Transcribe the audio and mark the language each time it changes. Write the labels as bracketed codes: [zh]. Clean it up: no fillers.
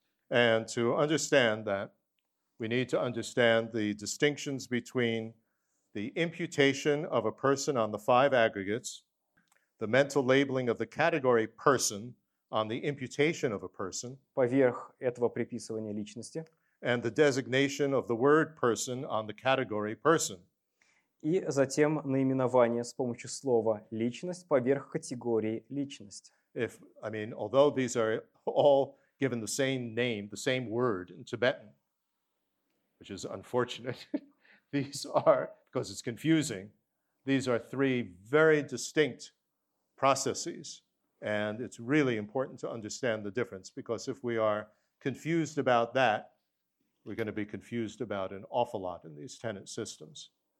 [en] And to understand that, we need to understand the distinctions between the imputation of a person on the five aggregates, the mental labeling of the category person on the imputation of a person, [ru] поверх этого приписывания личности, [en] and the designation of the word person on the category person. [ru] И затем наименование с помощью слова «личность» поверх категории «личность». [en] If, I mean, although these are all given the same name, the same word in Tibetan, which is unfortunate, these are, because it's confusing, these are three very distinct processes, and it's really important to understand the difference, because if we are confused about that, we're going to be confused about an awful lot in these tenet systems.